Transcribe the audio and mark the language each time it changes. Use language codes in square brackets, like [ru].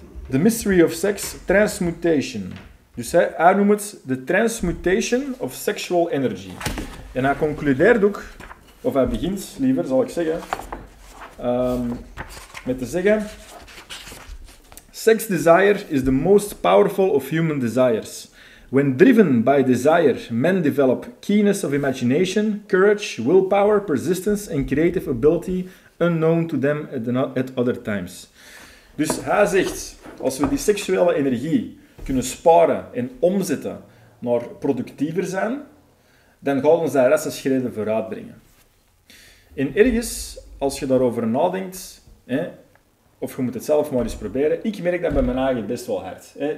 [nl] The Mystery of Sex Transmutation. Dus hij noemt het The Transmutation of Sexual Energy. En hij concludeert ook, of hij begint liever, zal ik zeggen, met te zeggen: [en] Sex desire is the most powerful of human desires. When driven by desire, men develop keenness of imagination, courage, willpower, persistence and creative ability unknown to them at other times. [nl] Dus hij zegt, als we die seksuele energie kunnen sparen en omzetten naar productiever zijn, dan gaat ons dat rassen schreden vooruit brengen. En ergens, als je daarover nadenkt, hè, of je moet het zelf maar eens proberen, ik merk dat bij mijn eigen best wel hard. Hè.